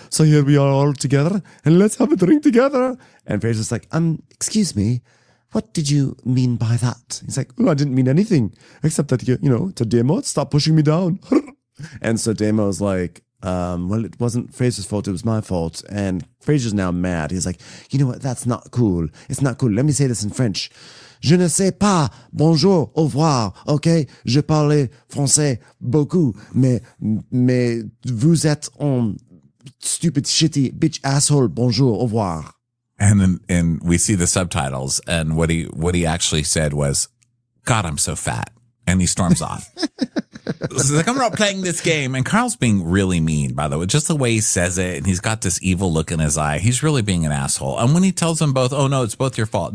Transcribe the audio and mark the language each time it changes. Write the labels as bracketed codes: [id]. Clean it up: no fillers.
[en] So here we are all together and let's have a drink together. And Frasier's like, excuse me, what did you mean by that? He's like, well, I didn't mean anything except that, you know, to Damo, stop pushing me down. And so Damo's like, well, it wasn't Frasier's fault. It was my fault. And Frasier's now mad. He's like, you know what? That's not cool. It's not cool. Let me say this in French. [fr] Je ne sais pas, bonjour, au revoir, ok? Je parle français beaucoup, mais vous êtes un [en] stupid, shitty, bitch, asshole, [fr] bonjour, au revoir. [en] And then, and we see the subtitles, and what he actually said was, God, I'm so fat. And he storms off. So he's like, I'm not playing this game. And Carl's being really mean, by the way, just the way he says it. And he's got this evil look in his eye. He's really being an asshole. And when he tells them both, oh, no, it's both your fault.